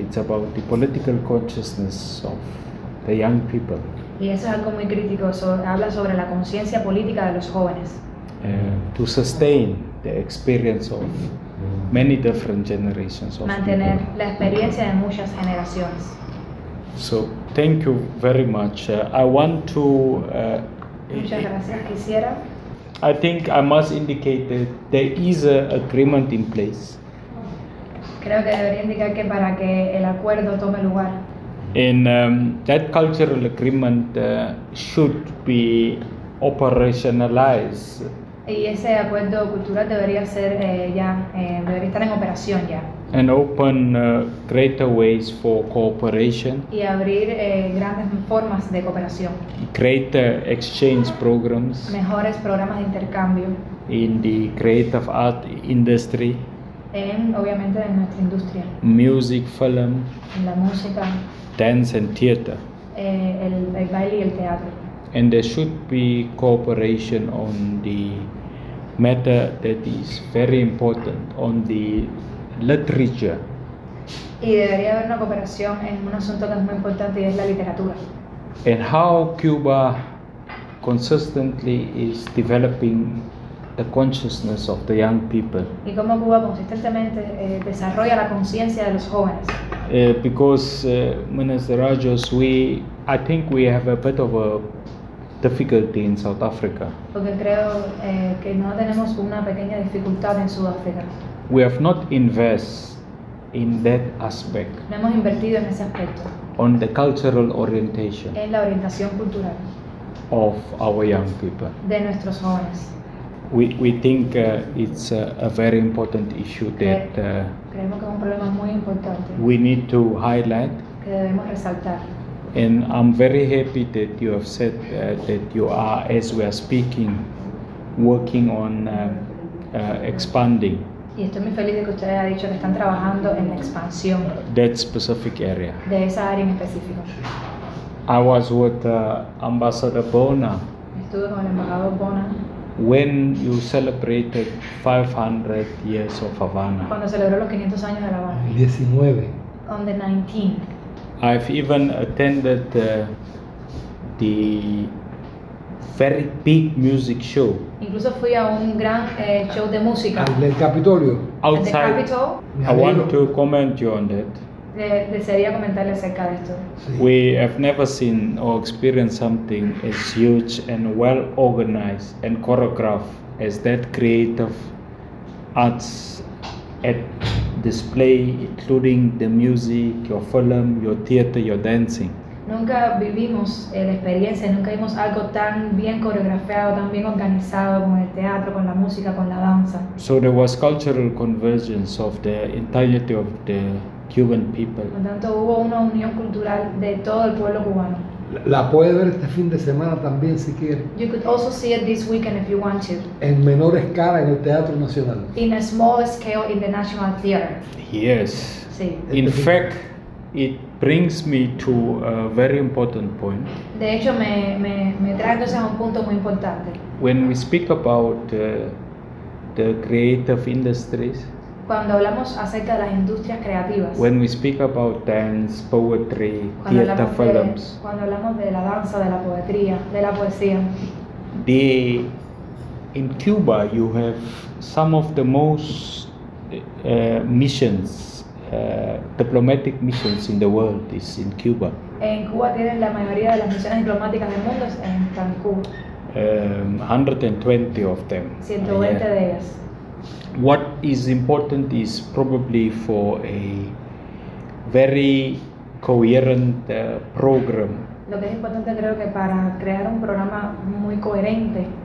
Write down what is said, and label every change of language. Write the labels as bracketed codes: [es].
[en] It's about the political consciousness of the young people. [es] Y eso es algo muy crítico. Habla sobre la conciencia política de los jóvenes. [en] To sustain the experience of many different generations of [es] mantener [en] people. [es] La experiencia de muchas generaciones. [en] So, thank you very much. I want to... [es] Muchas gracias, quisiera. [en] I think I must indicate that there is an agreement in place. [es] Creo que debería indicar que para que el acuerdo tome lugar. [en] And that cultural agreement should be operationalized. [es] Y ese acuerdo cultural debería ser ya, debería estar en operación ya. [en] And open greater ways for cooperation. [es] Y abrir grandes formas de cooperación. [en] Greater exchange programs. [es] Mejores programas de intercambio. [en] In the creative art industry. [es] En, obviamente, en nuestra industria. [en] Music, film. [es] La música. [en] Dance and theater. [es] El baile y el teatro. [en] And there should be cooperation on the matter that is very important, on the literature. [es] Y debería haber una cooperación en un asunto que es muy importante y es la literatura. [en] And how Cuba consistently is developing the consciousness of the young people. [es] Y cómo Cuba consistentemente desarrolla la conciencia de los jóvenes. [en] Because Minister Rajos, I think we have a bit of a difficulty in South Africa. [es] Porque creo que no tenemos una pequeña dificultad en Sudáfrica. [en] We have not invest in that aspect. [es] No hemos invertido en ese aspecto. [en] On the cultural orientation. [es] En la orientación cultural. [en] Of our young people. [es] De nuestros jóvenes. [en] We think it's a very important issue that [es] creemos que es un problema muy importante. [en] We need to highlight. [es] Que debemos resaltar. [en] And I'm very happy that you have said that you are, as we are speaking, working on expanding. [es] Y estoy muy feliz de que usted haya dicho que están trabajando en la expansión. [en] That specific area. [es] De esa área en específico. [en] I was with Ambassador Bona. [es] Estuve con el embajador Bona. [en] When you celebrated 500 years of Havana. [es] Cuando celebró los 500 años de La Habana. 19. [en] On the 19th. I've even attended the very big music show. [es] Incluso fui a un gran show de música. En el Capitolio. [en] Outside. The Capitol. I want to comment you on that. [es] Desearía comentarle acerca de esto. [en] We have never seen or experienced something as huge and well organized and choreographed as that creative arts at display, including the music, your film, your theater, your dancing. [es] Nunca vivimos la experiencia, nunca vimos algo tan bien coreografiado, tan bien organizado con el teatro, con la música, con la danza. [en] So there was cultural convergence of the entirety of the Cuban people. [es] Por tanto, hubo una unión cultural de todo el pueblo cubano. La puede ver este fin de semana también si quiere. [en] You could also see it this weekend if you want to. [es] En menor escala en el Teatro Nacional. [en] In a smaller scale in the National Theater. Yes. [es] Sí. [en] In fact, it brings me to a very important point. [es] De hecho, me trae a un punto muy importante. [en] When we speak about the creative industries. [es] Cuando hablamos acerca de las industrias creativas. [en] When we speak about dance, poetry, theater, films. [es] Cuando hablamos de la danza, de la poetría, de la poesía. [en] In Cuba, you have some of the most missions, diplomatic missions in the world is in Cuba. [es] En Cuba tienen la mayoría de las misiones diplomáticas del mundo están en Cuba. [en] 120 of them. [es] 120 de ellas. [en] What is important is probably for a very coherent program. [es] Lo que es importante creo que para crear un programa muy coherente.